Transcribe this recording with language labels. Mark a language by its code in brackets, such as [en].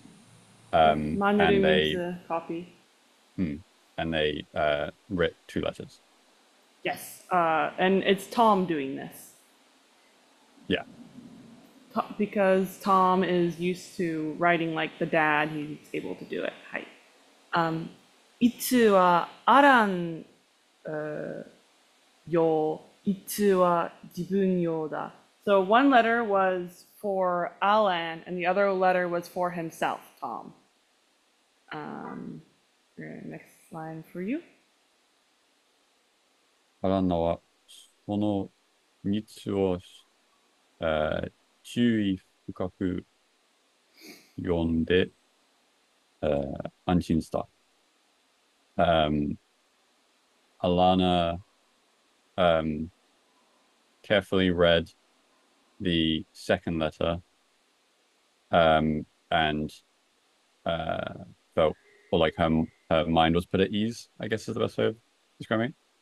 [en] Yeah, Manuru means a copy. And they writ two letters. Yes, and it's Tom doing this. Because Tom is used to writing like the dad, he's able to do it. Hi. [ja] Itsu wa aran yo, itsu wa jibun yo da. [en] So one letter was for Alan, and the other letter was for himself, Tom. Next line for you. [ja] アランナは、その3つを、注意深く読んで、安心した。 [en] アランナ、carefully read the second letter, and felt, or like her mind was put at ease, I guess is the best way of describing it.